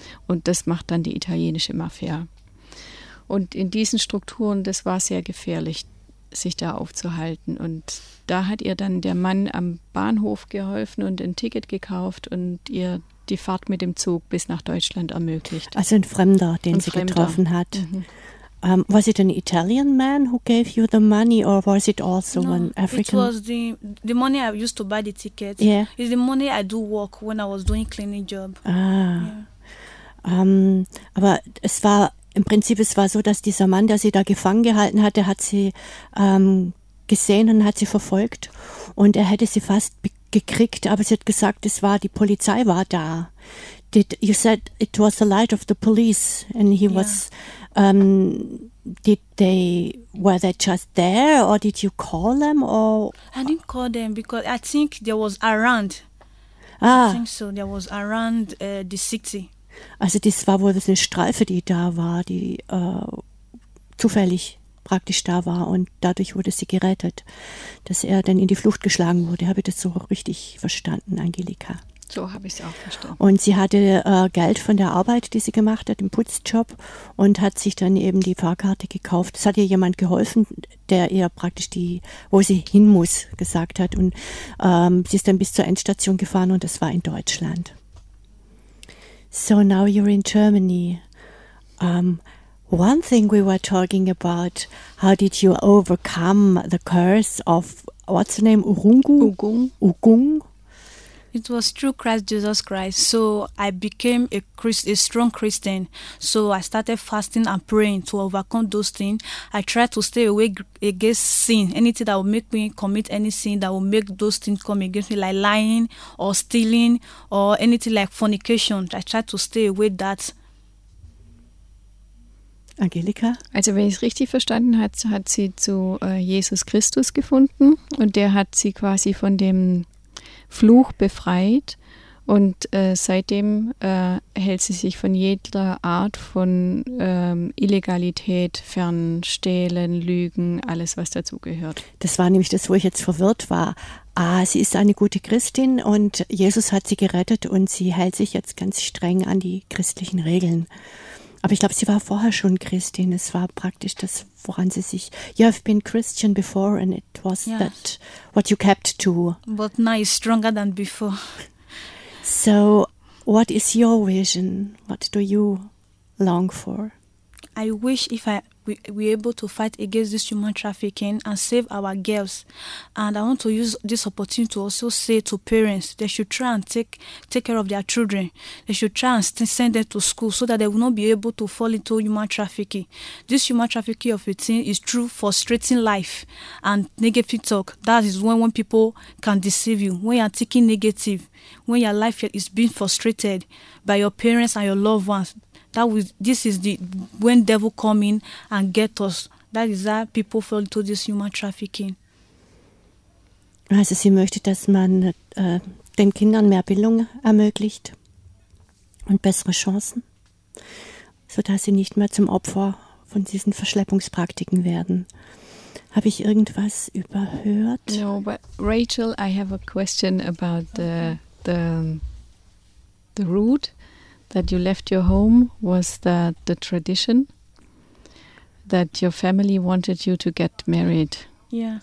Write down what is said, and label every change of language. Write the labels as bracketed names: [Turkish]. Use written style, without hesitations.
[German] Und das macht dann die italienische Mafia. Und in diesen Strukturen, das war sehr gefährlich, sich da aufzuhalten. Und da hat ihr dann der Mann am Bahnhof geholfen und ein Ticket gekauft und ihr die Fahrt mit dem Zug bis nach Deutschland ermöglicht. Also ein Fremder, getroffen hat. Mm-hmm. [English] Was it an Italian man who gave you the money, or was it also an African? It was the money I used to buy the ticket. Yeah. It's the money I do work when I was doing cleaning job. [German] Aber es war im Prinzip, es war so, dass dieser Mann, der sie da gefangen gehalten hatte, hat sie gesehen und hat sie verfolgt, und er hätte sie fast gekriegt, aber sie hat gesagt, die Polizei war da. [English] You said it was the light of the police, and he was, were they just there, or did you call them, or? I didn't call them, because I think there was around, there was around the city. [German] Also das war wohl eine Streife, die da war, die zufällig praktisch da war, und dadurch wurde sie gerettet, dass er dann in die Flucht geschlagen wurde. Habe ich das so richtig verstanden, Angelika? So habe ich es auch verstanden. Und sie hatte Geld von der Arbeit, die sie gemacht hat, im Putzjob, und hat sich dann eben die Fahrkarte gekauft. Es hat ihr jemand geholfen, der ihr praktisch wo sie hin muss, gesagt hat. Und sie ist dann bis zur Endstation gefahren, und das war in Deutschland. [English] So now you're in Germany. One thing we were talking about, how did you overcome the curse of what's the name? Urungu? Ugung. Ugung. It was through Christ Jesus Christ. So I became a strong Christian. So I started fasting and praying to overcome those things. I tried to stay away against sin, anything that would make me commit any sin that would make those things come against me, like lying or stealing or anything like fornication. I tried to stay away that. Angelika? [German] Also wenn ich es richtig verstanden habe, hat sie zu Jesus Christus gefunden und der hat sie quasi von dem Fluch befreit und seitdem hält sie sich von jeder Art von Illegalität fern, Stehlen, Lügen, alles was dazugehört. Das war nämlich das, wo ich jetzt verwirrt war. Ah, sie ist eine gute Christin und Jesus hat sie gerettet und sie hält sich jetzt ganz streng an die christlichen Regeln. Aber ich glaube, sie war vorher schon Christin. Es war praktisch das, woran sie sich... [English] You have been Christian before and it was yes. That what you kept to. But now it's stronger than before. So, what is your vision? What do you long for? I wish if I were able to fight against this human trafficking and save our girls. And I want to use this opportunity to also say to parents, they should try and take care of their children. They should try and send them to school so that they will not be able to fall into human trafficking. This human trafficking of a teen is through frustrating life and negative talk. That is when people can deceive you, when you are thinking negative, when your life is being frustrated by your parents and your loved ones. This is when devil come in and get us. That is how people fall into this human trafficking. [German] Also sie möchte, dass man den Kindern mehr Bildung ermöglicht und bessere Chancen, sodass sie nicht mehr zum Opfer von diesen Verschleppungspraktiken werden. Habe ich irgendwas überhört? [English] No, but Rachel, I have a question about the root. That you left your home was the tradition that your family wanted you to get married. Yeah.